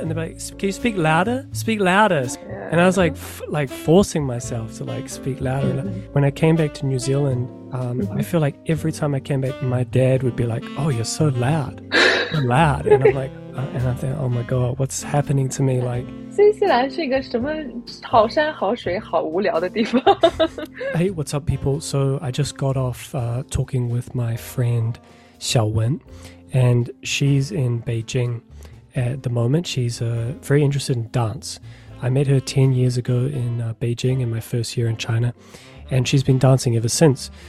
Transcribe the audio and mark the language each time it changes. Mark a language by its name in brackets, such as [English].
[English] And they'd be like, can you speak louder? Speak louder. Yeah. And I was like, like forcing myself to like speak louder. Mm-hmm. Like, when I came back to New Zealand, I feel like every time I came back, my dad would be like, oh, you're so loud. You're loud. And I'm like, and I think, oh my God, what's happening to me? Like, [Chinese] 新西兰是一个什么好山好水好无聊的地方 [English] Hey, what's up people? So I just got off talking with my friend Xiao Wen, and she's in Beijing at the moment. She's very interested in dance. I met her 10 years ago in Beijing in my first year in China, and she's been dancing ever since.